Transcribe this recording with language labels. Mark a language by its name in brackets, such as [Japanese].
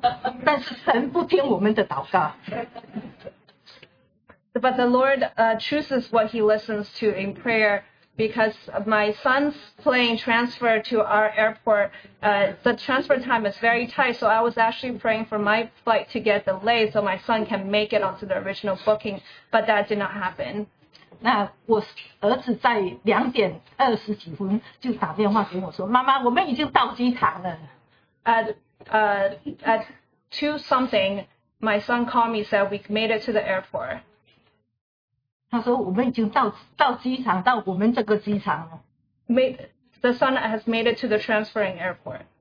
[Chinese] 结果我们在那边的时候，我一直祷告，求主给这个飞机，我们是3.08分的飞机，求主给他这个飞机延误，让我们的孩子能跟我们一起，但是神不听我们的祷告。 [English] But the Lord chooses what he listens to in prayer. Because my son's plane transferred to our airport, the transfer time is very tight, so I was actually praying for my flight to get delayed so my son can make it onto the original booking, but that did not happen. [Chinese] 那我儿子在2点20几分就打电话给我说，妈妈，我们已经到机场了。 [English] At two something, my son called me and said, we made it to the airport. [Chinese] 他说我们已经到机场，到我们这个机场了。 [English] The son has made it to the transferring airport.